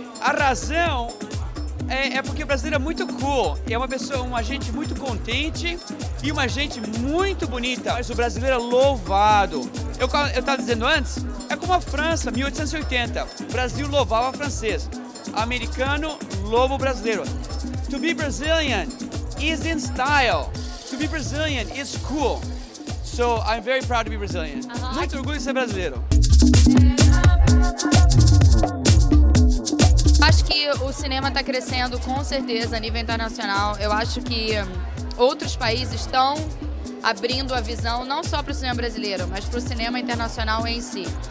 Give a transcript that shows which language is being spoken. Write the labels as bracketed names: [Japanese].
[Portuguese] A razão é porque o brasileiro é muito cool, é uma pessoa, uma gente muito contente e uma gente muito bonita. Mas o brasileiro é louvado. Eu estava dizendo antes, é como a França, 1880. O Brasil louvava o francês. Americano louva o brasileiro. [English] To be Brazilian is in style. To be Brazilian is cool. So I'm very proud to be Brazilian. Uh-huh. [Portuguese] Muito orgulho de ser brasileiro. Acho que o cinema está crescendo com certeza a nível internacional. Eu acho que outros países estão abrindo a visão não só para o cinema brasileiro, mas para o cinema internacional em si.